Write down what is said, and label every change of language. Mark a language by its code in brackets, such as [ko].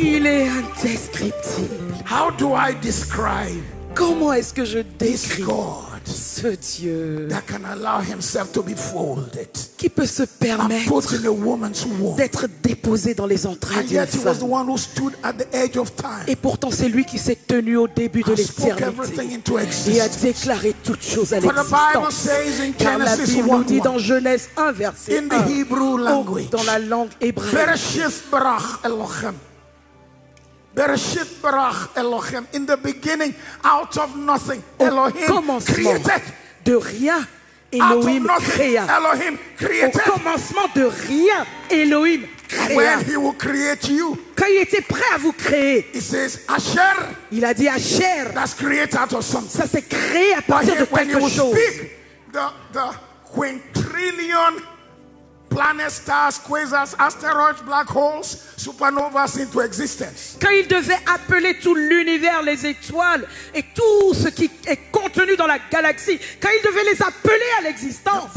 [fr] Il est indescriptible. [en] How do I describe? [fr] Comment est-ce que je décris? [en] This God, [fr] ce Dieu, [en] that can allow himself to be folded, [fr] qui peut se permettre [en] and put in a woman's womb, [fr] d'être déposé dans les entrailles [en] and yet [fr] d'une [en] he [fr] femme. [en] Was the one who stood at the edge of time. [fr] Et pourtant, c'est lui qui s'est tenu au début [en] and [fr] de l'éternité et a déclaré toutes choses à l'existence. Car la Bible nous dit dans Genèse 1, verset 1, [en] in the Hebrew language, [fr] dans la langue hébraïque, [he] Bereshit barach Elohim. [en] In the beginning, out of nothing, Elohim created. [fr] De rien, Elohim créa. [en] Elohim created. [fr] Au commencement de rien, Elohim créa. [en] When he will create you. [fr] Quand il était prêt à vous créer. [en] He says, Asher. [fr] Il a dit Asher. [en] That's created out of something. [fr] Ça s'est créé à partir de quelque chose. [en] When he will speak, the quintillion planets, stars, quasars, asteroids, black holes, supernovas into existence. [fr] Quand il devait appeler tout l'univers, les étoiles et tout ce qui est contenu dans la galaxie, quand il devait les appeler à l'existence.